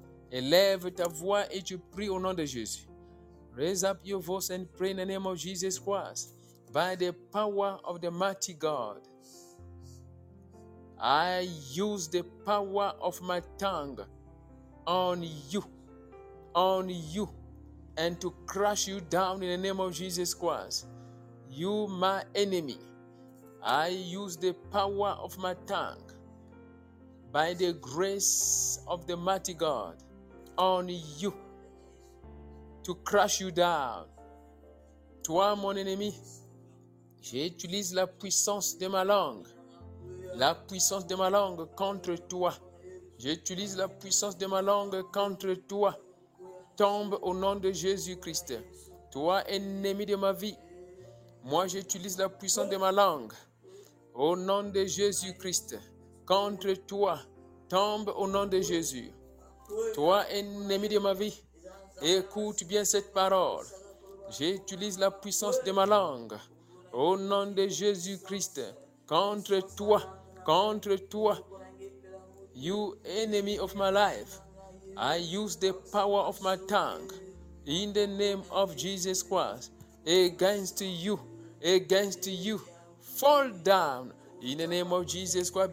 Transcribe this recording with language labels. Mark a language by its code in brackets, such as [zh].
[fr] Élève ta voix et tu pries au nom de Jésus. [en] Raise up your voice and pray in the name of Jesus Christ. By the power of the mighty God, I use the power of my tongue on you, and to crush you down in the name of Jesus Christ. You, my enemy, I use the power of my tongue by the grace of the mighty God on you to crush you down. [fr] Toi, mon ennemi, j'utilise la puissance de ma langue. La puissance de ma langue contre toi. J'utilise la puissance de ma langue contre toi. Tombe au nom de Jésus-Christ. Toi, ennemi de ma vie, moi, j'utilise la puissance de ma langue au nom de Jésus-Christ. Contre toi, tombe au nom de Jésus. Toi, ennemi de ma vie, écoute bien cette parole. J'utilise la puissance de ma langue au nom de Jésus-Christ. Contre toi. Contre toi, [en] you enemy of my life, I use the power of my tongue in the name of Jesus Christ against you, fall down in the name of Jesus Christ.